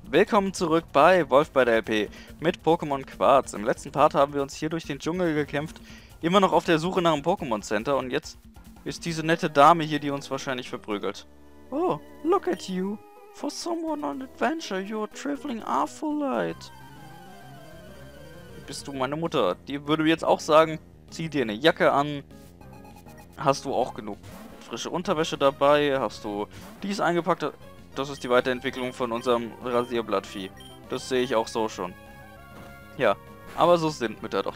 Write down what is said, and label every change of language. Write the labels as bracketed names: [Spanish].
[German] Willkommen zurück bei Wolf bei der LP mit Pokémon Quarz. Im letzten Part haben wir uns hier durch den Dschungel gekämpft, immer noch auf der Suche nach einem Pokémon Center und jetzt ist diese nette Dame hier, die uns wahrscheinlich verprügelt. [English] Oh, look at you. For someone on adventure, you're traveling awful light. [German] Bist du meine Mutter? Die würde jetzt auch sagen, zieh dir eine Jacke an. Hast du auch genug frische Unterwäsche dabei? Hast du dies eingepackt? Das ist die Weiterentwicklung von unserem Rasierblattvieh. Das sehe ich auch so schon. Ja, aber so sind Mütter doch.